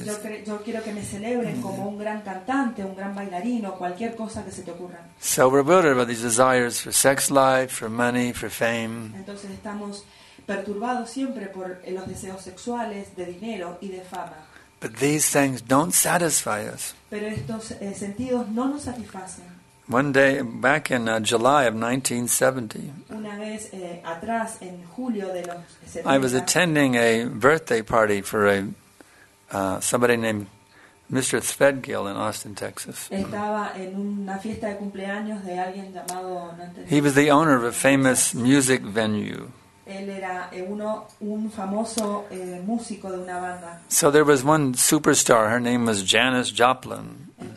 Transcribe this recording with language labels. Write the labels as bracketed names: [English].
[Spanish] Yo quiero que me celebren como un gran cantante, un gran bailarino, cualquier cosa que se te ocurra. [English] So we're bewildered by these desires for sex life, for money, for fame. [Spanish] Entonces estamos perturbados siempre por los deseos sexuales, de dinero y de fama. [English] But these things don't satisfy us. [Spanish] Pero estos sentidos no nos satisfacen. [English] One day back in July of 1970, [Spanish] una vez, atrás, en julio de los 70, [English] I was attending a birthday party for a somebody named Mr. Svedgill in Austin, Texas. [Spanish] Estaba en una fiesta de cumpleaños de alguien llamado, no entendí. [English] He was the owner of a famous music venue. [Spanish] Él era un famoso músico de una banda. [English] So there was one superstar, her name was Janis Joplin.